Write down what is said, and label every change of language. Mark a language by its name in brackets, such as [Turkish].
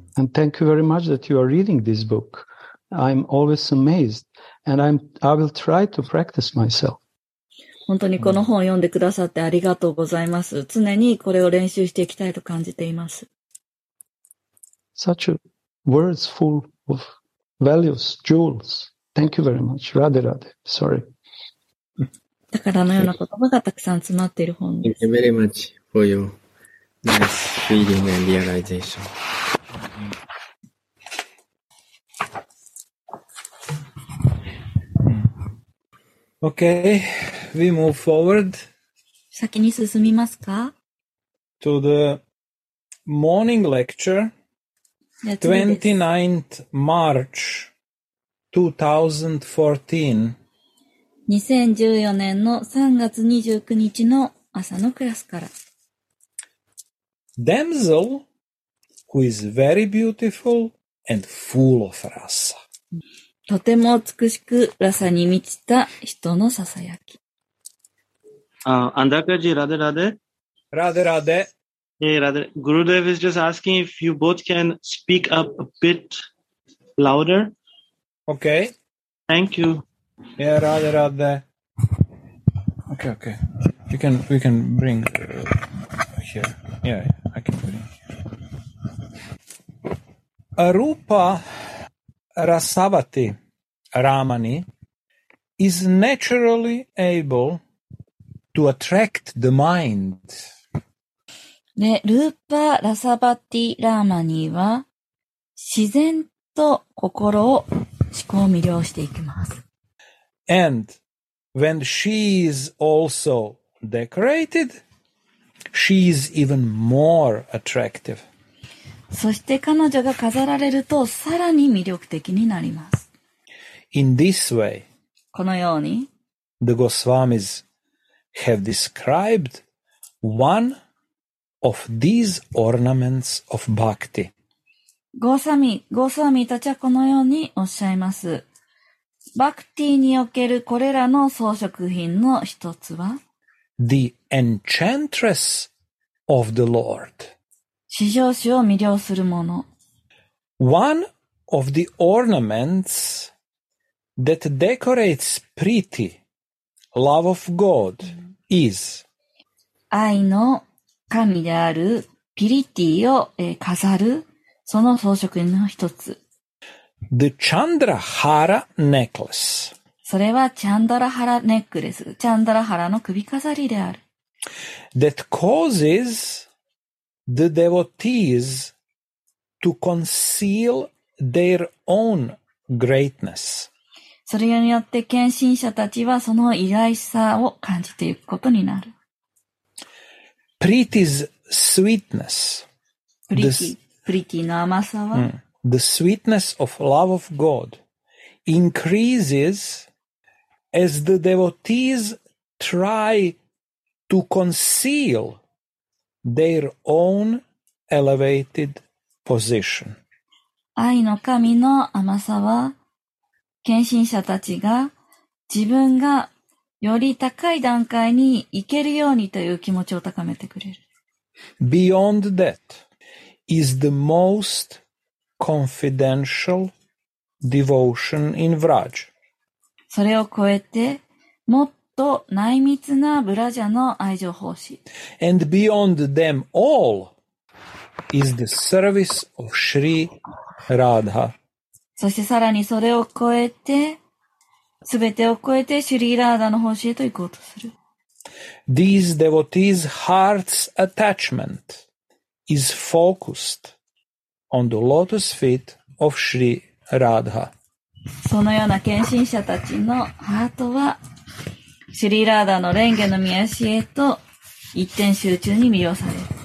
[English] And thank you very much that you are reading this book. I'm always amazed, and I will try to practice myself. [Japanese] 本当にこの本を読んでくださってありがとうございます。常にこれを練習していきたいと感じています。 [English] Such a... Words full of values, jewels. Thank you very much. Radhe Radhe. Sorry. [Japanese] だからのような言葉がたくさん詰まっている本です。 [English] Thank you very much for your nice feeling and realization. Okay, we move forward. [Japanese] 先に進みますか? [English] To the morning lecture. 29th March 2014 [Japanese] 2014年の3月29日の朝のクラスから [English] Damsel who is very beautiful and full of rasa [Japanese] とても美しくラサに満ちた人のささやきアンダカジラデラデラデラデ [English] Yeah, Radha. Gurudev is just asking if you both can speak up a bit louder. Okay. Thank you. Yeah, Radha, Radha. Okay, okay. We can bring here. Yeah, I can bring. Arupa Rasavati Ramani is naturally able to attract the mind. [Japanese] ね、ルーパー・ラサバティ・ラーマニーは自然と心を思考を魅了していきます。 [English] And when she is also decorated, she is even more attractive. [Japanese] そして彼女が飾られるとさらに魅力的になります。 [English] In this way, [Japanese] このように、 [English] the Goswamis have described oneOf these ornaments of bhakti. [Japanese] Gosami たちはこのようにおっしゃいます。 Bhakti におけるこれらの装飾品の一つは [English] The enchantress of the Lord. [Japanese] 至上主を魅了するもの。 [English] One of the ornaments that decorates priti, love of God, is [Japanese] 愛の神であるピリティを飾るその装飾の一つ。 [English] The Chandrahara necklace. [Japanese] それはチャンドラハラネックレス、チャンドラハラの首飾りである。 [English] That causes the devotees to conceal their own greatness. [Japanese] それによって献身者たちはその偉大さを感じていくことになる。 [English] Priti's sweetness. [Japanese] Priti の甘さは [English] The sweetness of love of God increases as the devotees try to conceal their own elevated position. [Japanese] 愛の神の甘さは、献身者たちが自分がより高い段階に行けるようにという気持ちを高めてくれる。 [English] Beyond that is the most confidential devotion in Vraj. [Japanese] それを超えてもっと内密なブラジャの愛情奉仕。 [English] And beyond them all is the service of Shri Radha. [Japanese] そしてさらにそれを超えて、すべてを超えてシュリーラーダの奉仕へと行こうとする。 [English] These devotees' heart's attachment is focused on the lotus feet of Shri Radha. [Japanese] そのような献身者たちのハートは、シュリーラーダの蓮華の御足へと一点集中に魅了される。